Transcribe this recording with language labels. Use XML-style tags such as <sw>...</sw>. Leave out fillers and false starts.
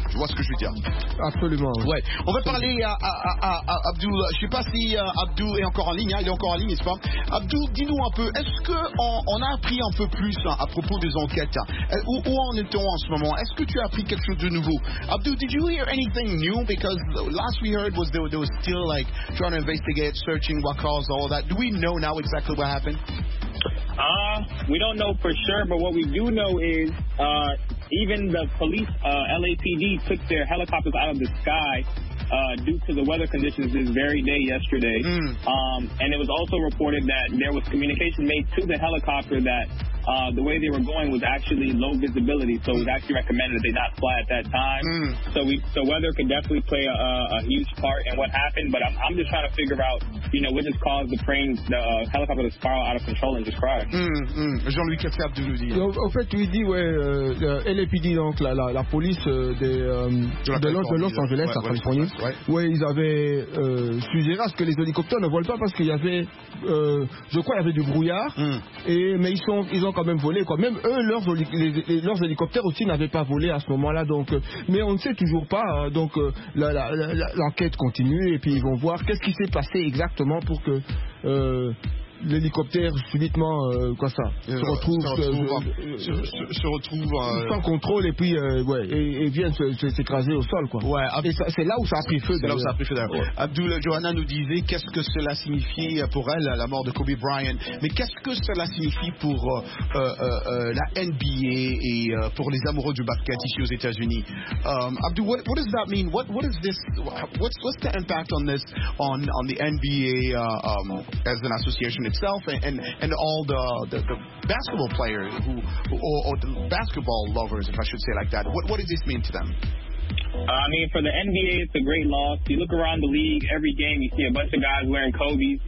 <fr>Tu vois ce que je veux dire? Absolument. Ouais. On va parler à Abdou. Je ne sais pas si Abdou est encore en ligne. Hein. Il est encore en ligne, n'est-ce pas? Abdou, dis-nous un peu, est-ce qu'on a appris un peu plus à propos des enquêtes? Où en est-on en ce moment? Est-ce que tu as appris quelque chose de nouveau?</fr> <en>Abdou, did you hear anything new? Because the last we heard was they were still like trying to investigate, searching what caused all that. Do we know now exactly what happened? We don't know for sure, but what we do know is even the police, LAPD, took their helicopters out of the sky due to the weather conditions this very day yesterday. Mm. And it was also reported that there was communication made to the helicopter that the way they were going was actually low visibility, so it was actually recommended that they not fly at that time. Mm. So weather could definitely play a huge part in what happened, but I'm just trying to figure out, you know, what just caused the plane, the helicopter to spiral out of control and just crash.</en> <fr>Jean-Louis, qu'est-ce qu'il y a de nous dire? En fait, tu dis, ouais, LAPD, donc la police de Los Angeles, en Californie, ouais, ils avaient suggéré à ce que les hélicoptères ne volent pas parce qu'il y avait, je crois, il y avait du brouillard, mais ils ont quand même volé, quoi. Même eux, leurs hélicoptères aussi n'avaient pas volé à ce moment-là. Donc, mais on ne sait toujours pas. Hein, donc, l'enquête continue et puis ils vont voir qu'est-ce qui s'est passé exactement pour que l'hélicoptère subitement quoi ça se retrouve sans contrôle et puis ouais et vient s'écraser au sol quoi. Ouais, c'est là où ça a pris feu. C'est là où ça a pris feu d'ailleurs. Ouais. Abdul Johanna nous disait qu'est-ce que cela signifie pour elle la mort de Kobe Bryant, mais qu'est-ce que cela signifie pour la NBA et pour les amoureux du basket ici aux États-Unis.</fr> <en>Abdul, what does that mean? What is this? What's the impact on this on the NBA as an association itself and all the basketball players who or the basketball lovers, if I should say like that. What does this mean to them? I mean, for the NBA, it's a great loss. You look around the league, every game, you see a bunch of guys wearing Kobe's.</en>